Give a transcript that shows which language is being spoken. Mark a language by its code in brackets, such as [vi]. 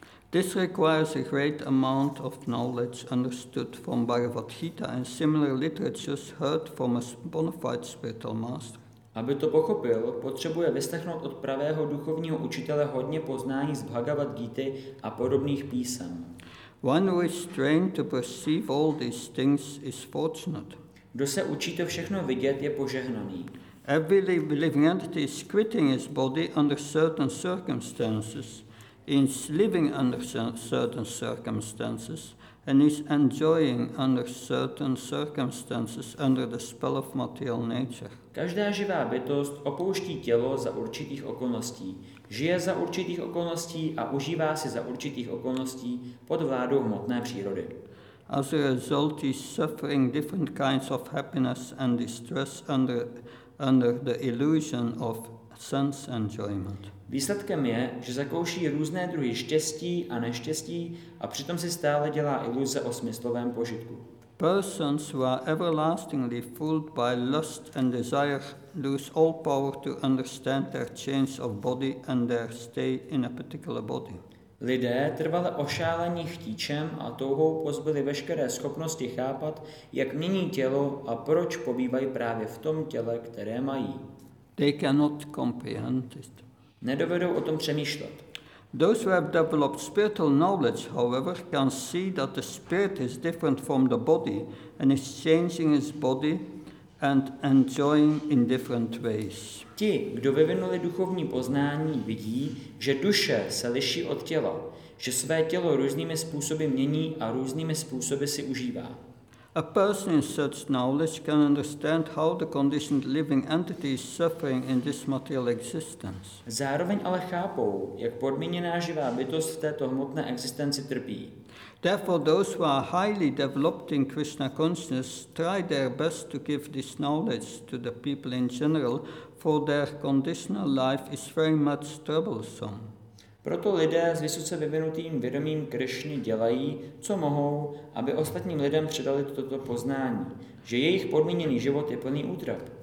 [en] This requires a great amount of knowledge understood from Bhagavad Gita and similar literatures heard from a bona fide spiritual master. [cs] Aby to pochopil, potřebuje vyslechnout od pravého duchovního učitele hodně poznání z Bhagavad Gita a podobných písem. [en] One who is trained to perceive all these things is fortunate. [cs] Kdo se učí to všechno vidět, je požehnaný. [en] Every living entity is quitting his body under certain circumstances, is living under certain circumstances, and is enjoying under certain circumstances under the spell of material nature. [cs] Každá živá bytost opouští tělo za určitých okolností, žije za určitých okolností a užívá si za určitých okolností pod vládou hmotné přírody. [en] As a result, he is suffering different kinds of happiness and distress under the illusion of sense enjoyment. [cs] Výsledkem je, že zakouší různé druhy štěstí a neštěstí a přitom si stále dělá iluze o smyslovém požitku. [en] Persons who are everlastingly fooled by lust and desire lose all power to understand their change of body and their stay in a particular body. [cs] Lidé trvale ošálení chtíčem a touhou pozbyli veškeré schopnosti chápat, jak mění tělo a proč pobývají právě v tom těle, které mají. [en] They cannot comprehend it. [cs] Nedovedou o tom přemýšlet. [en] Those who have developed spiritual knowledge, however, can see that the spirit is different from the body and is changing its body and enjoying in different ways. [cs] Ti, kdo vyvinuli duchovní poznání, vidí, že duše se liší od těla, že své tělo různými způsoby mění a různými způsoby si užívá. [en] A person in such knowledge can understand how the conditioned living entity is suffering in this material existence. [cs] Zároveň ale chápou, jak podmíněná živá bytost v této hmotné existenci trpí. [en] Therefore, those who are highly developed in Krishna consciousness try their best to give this knowledge to the people in general, for their conditional life is very much troublesome. [cs] Proto lidé s vysoce vyvinutým vědomím Krišny dělají, co mohou, aby ostatním lidem předali toto poznání, že jejich podmíněný život je plný útrap.